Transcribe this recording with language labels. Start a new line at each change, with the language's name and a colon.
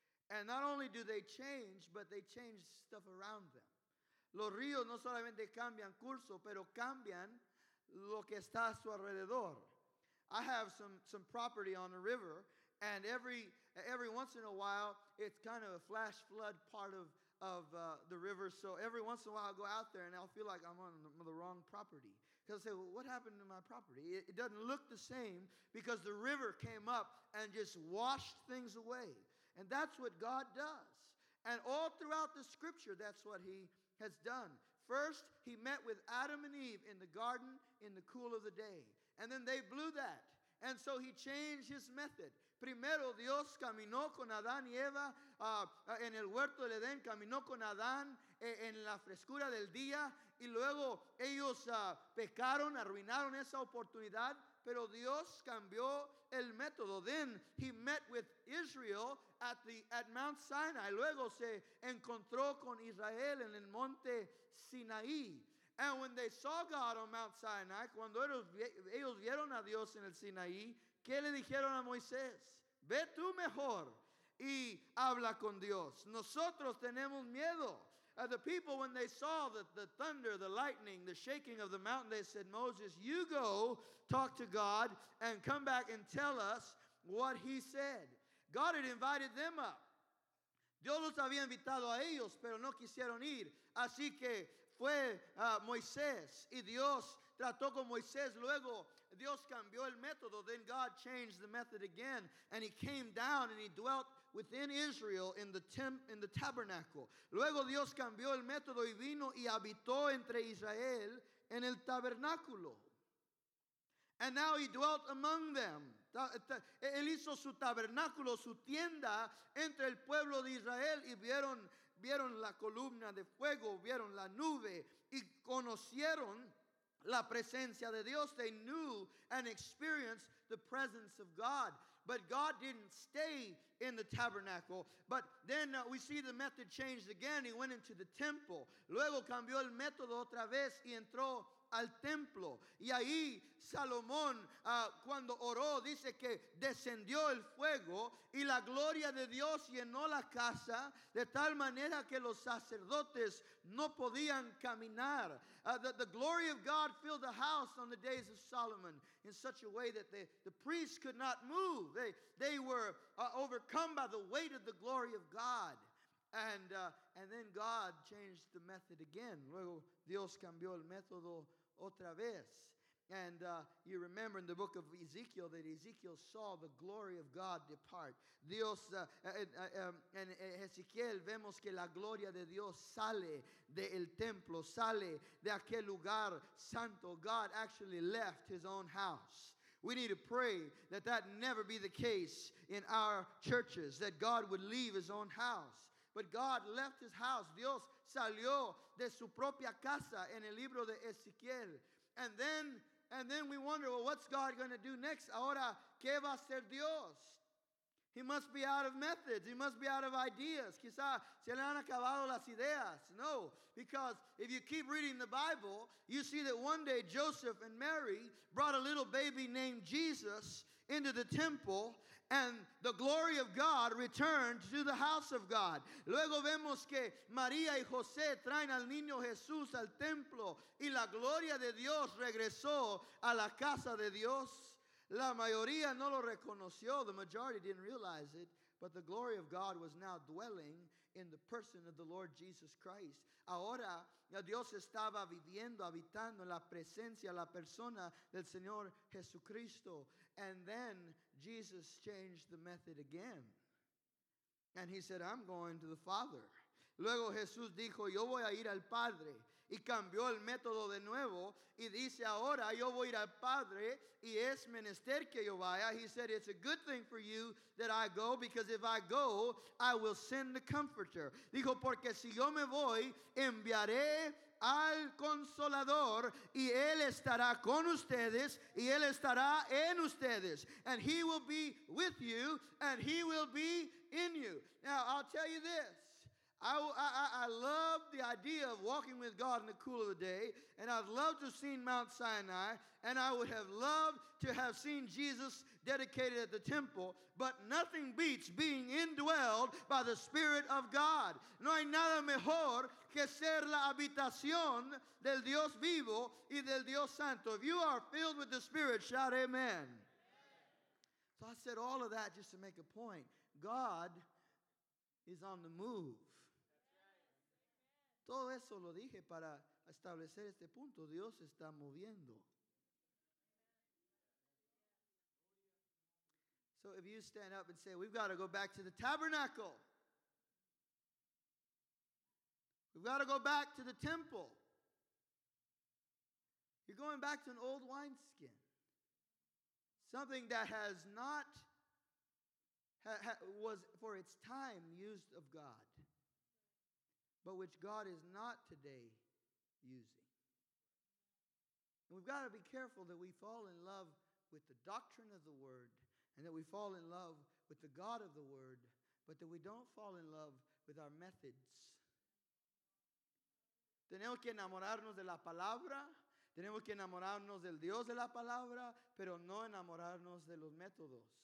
English: And not only do they change, but they change stuff around them.
Spanish: Los ríos no solamente cambian curso, pero cambian lo que está a su alrededor.
English: I have some property on the river, and every once in a while, it's kind of a flash flood part of the river. So every once in a while, I go out there, and I'll feel like I'm on the wrong property. Because I say, well, what happened to my property? It doesn't look the same because the river came up and just washed things away. And that's what God does. And all throughout the scripture, that's what he has done. First, he met with Adam and Eve in the garden in the cool of the day. And then they blew that. And so he changed his method.
Spanish: Primero, Dios caminó con Adán y Eva en el huerto del Edén. Caminó con Adán en la frescura del día. Y luego ellos pecaron, arruinaron esa oportunidad. Pero Dios cambió el método.
English: Then he met with Israel at Mount Sinai.
Spanish: Luego se encontró con Israel en el monte Sinaí.
English: And when they saw God on Mount Sinai,
Spanish: cuando ellos vieron a Dios en el Sinaí, ¿qué le dijeron a Moisés? Ve tú mejor y habla con Dios. Nosotros tenemos miedo.
English: The people, when they saw the thunder, the lightning, the shaking of the mountain, they said, Moses, you go talk to God and come back and tell us what he said. God had invited them up.
Spanish: Dios los había invitado a ellos, pero no quisieron ir. Así que fue Moisés y Dios trató con Moisés. Luego Dios cambió el método.
English: Then God changed the method again. And he came down and he dwelt within Israel in the tabernacle.
Spanish: Luego Dios cambió el método y vino y habitó entre Israel en el tabernáculo.
English: And now he dwelt among them.
Spanish: Él hizo su tabernáculo, su tienda entre el pueblo de Israel y vieron la columna de fuego, vieron la nube y conocieron la presencia de Dios.
English: They knew and experienced the presence of God. But God didn't stay in the tabernacle. But then we see the method changed again. He went into the temple.
Spanish: Luego cambió el método otra vez y entró al templo. Y ahí Salomón, cuando oró, dice que descendió el fuego y la gloria de Dios llenó la casa de tal manera que los sacerdotes no podían caminar.
English: The glory of God filled the house on the days of Solomon in such a way that the priests could not move. They were overcome by the weight of the glory of God. And then God changed the method again.
Spanish: Luego Dios cambió el método otra vez.
English: And you remember in the book of Ezekiel that Ezekiel saw the glory of God depart.
Spanish: Dios, en Ezekiel vemos que la gloria de Dios sale del templo, sale de aquel lugar santo.
English: God actually left his own house. We need to pray that that never be the case in our churches, that God would leave his own house. But God left his house.
Spanish: Dios salió de su propia casa en el libro de Ezequiel.
English: And then we wonder, well, what's God going to do next?
Spanish: Ahora, ¿qué va a hacer Dios?
English: He must be out of methods. He must be out of ideas.
Spanish: Quizá se le han acabado las ideas.
English: No, because if you keep reading the Bible, you see that one day Joseph and Mary brought a little baby named Jesus into the temple, and the glory of God returned to the house of God.
Spanish: Luego vemos que María y José traen al niño Jesús al templo, y la gloria de Dios regresó a la casa de Dios. La mayoría no lo reconoció.
English: The majority didn't realize it. But the glory of God was now dwelling in the person of the Lord Jesus Christ.
Spanish: Ahora, Dios estaba viviendo, habitando la presencia, la persona del Señor Jesucristo.
English: And then Jesus changed the method again. And he said, I'm going to the Father.
Spanish: Luego Jesús dijo, yo voy a ir al Padre. Y cambió el método de nuevo. Y dice, ahora yo voy a ir al Padre. Y es menester que yo vaya.
English: He said, it's a good thing for you that I go, because if I go, I will send the Comforter.
Spanish: Dijo, porque si yo me voy, enviaré al Consolador, y él estará con ustedes, y él estará en ustedes.
English: And he will be with you, and he will be in you. Now, I'll tell you this. I love the idea of walking with God in the cool of the day, and I'd love to have seen Mount Sinai, and I would have loved to have seen Jesus dedicated at the temple, but nothing beats being indwelled by the Spirit of God.
Spanish: No hay nada mejor que ser la habitación del Dios vivo y del Dios santo.
English: If you are filled with the Spirit, shout amen. So I said all of that just to make a point. God is on the move.
Spanish: Todo eso lo dije para establecer este punto. Dios está moviendo.
English: So if you stand up and say, we've got to go back to the tabernacle. We've got to go back to the temple. You're going back to an old wineskin. Something that has not was for its time used of God, but which God is not today using. And we've got to be careful that we fall in love with the doctrine of the Word, and that we fall in love with the God of the Word, but that we don't fall in love with our methods.
Spanish: Tenemos que enamorarnos de la palabra. Tenemos que enamorarnos del Dios de la palabra, pero no enamorarnos de los métodos.